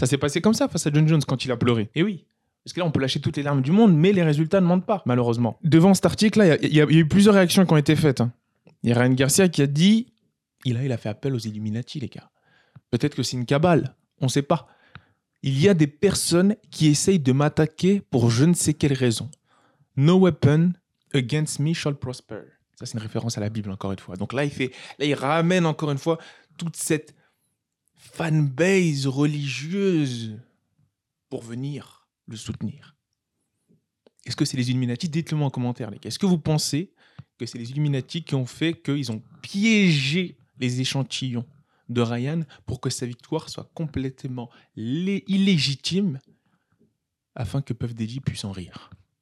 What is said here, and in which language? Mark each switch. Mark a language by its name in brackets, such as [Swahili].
[French] Ça s'est passé comme ça face à John Jones quand il a pleuré. Et oui. Parce que là, on peut lâcher toutes les larmes du monde, mais les résultats ne mentent pas, malheureusement. Devant cet article-là, il y a eu plusieurs réactions qui ont été faites. Il y a Ryan Garcia qui a dit... Il a fait appel aux Illuminati, les gars. Peut-être que c'est une cabale, on ne sait pas. Il y a des personnes qui essayent de m'attaquer pour je ne sais quelle raison. [English] No weapon against me shall prosper. [French] Ça, c'est une référence à la Bible, encore une fois. Donc là, il ramène encore une fois toute cette fanbase religieuse pour venir... le soutenir. Est-ce que c'est les Illuminati ? Dites-le-moi en commentaire, les gars. Est-ce que vous pensez que c'est les Illuminati qui ont fait qu'ils ont piégé les échantillons de Ryan pour que sa victoire soit complètement illégitime afin que Puff Daddy puisse en rire ?